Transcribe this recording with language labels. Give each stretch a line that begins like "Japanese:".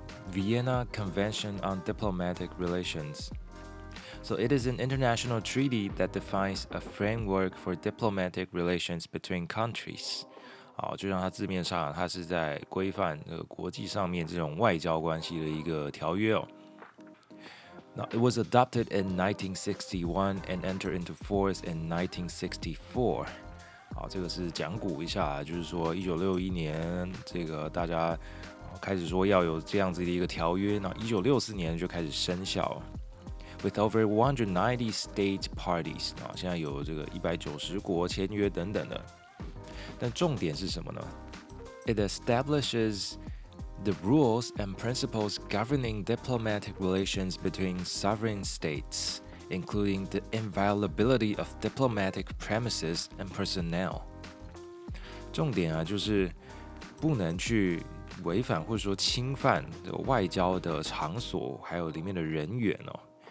English: Vienna Convention on Diplomatic Relations. So it is an international treaty that defines a framework for diplomatic relations between countries.
Chinese: 好，就像它字面上，它是在规范国际上面这种外交关系的一个条约哦。
English: Now, it was adopted in 1961 and entered into force in 1964.
Chinese: 好，这个是讲古一下，就是说1961年这个大家开始说要有这样子的一个条约，那1964年就开始生效。 With over 190 state parties, 现在有这个190国签约等等的。但重点是什么呢？
English: It establishes the rules and principles governing diplomatic relations between sovereign states. Including the inviolability of diplomatic premises and personnel.
Chinese: 重点啊，就是不能去违反或者说侵犯的外交的场所，还有里面的人员哦。